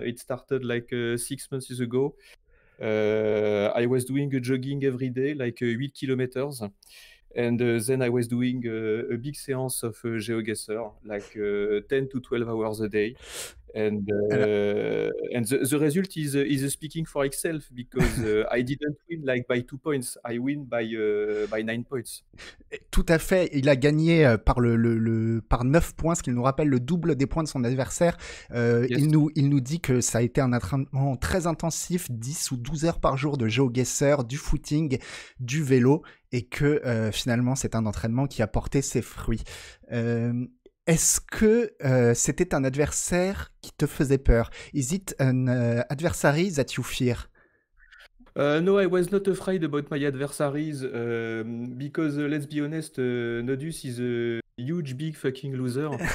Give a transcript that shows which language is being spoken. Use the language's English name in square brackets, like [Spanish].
[English] It started like 6 months ago. I was doing a jogging every day, like 8 kilometers, and then I was doing a big séance of GeoGuessr, like 10 to 12 hours a day. [French] Alors. [English] And the result is speaking for itself because I didn't win like by 2 points. I win by 9 points. [French] Tout à fait, il a gagné par par 9 points, ce qui nous rappelle le double des points de son adversaire. [English] Yes. [French] Il nous dit que ça a été un entraînement très intensif, 10 ou 12 heures par jour de géoguesseur, du footing, du vélo, et que finalement c'est un entraînement qui a porté ses fruits. Est-ce que c'était un adversaire qui te faisait peur? [English] Is it an adversary that you fear? No, I was not afraid about my adversaries because let's be honest, Nodus is a huge big fucking loser.